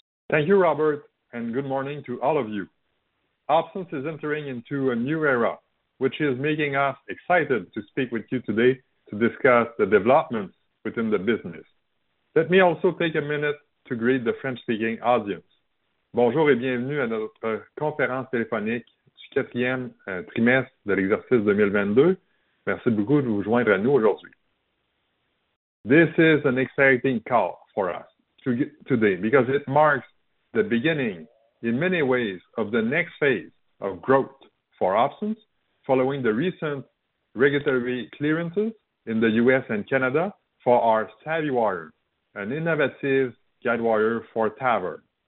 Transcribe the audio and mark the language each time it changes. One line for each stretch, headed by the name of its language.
English: Thank you, Robert, and good morning to all of you. OpSens is entering into a new era, which is making us excited to speak with you today to discuss the developments within the business. Let me also take a minute to greet the French-speaking audience.
French: Bonjour et bienvenue à notre conférence téléphonique du quatrième trimestre de l'exercice 2022. Merci beaucoup de vous joindre à nous aujourd'hui.
English: This is an exciting call for us today because it marks the beginning in many ways of the next phase of growth for OpSens following the recent regulatory clearances in the US and Canada for our SavvyWire, an innovative guidewire for TAVR.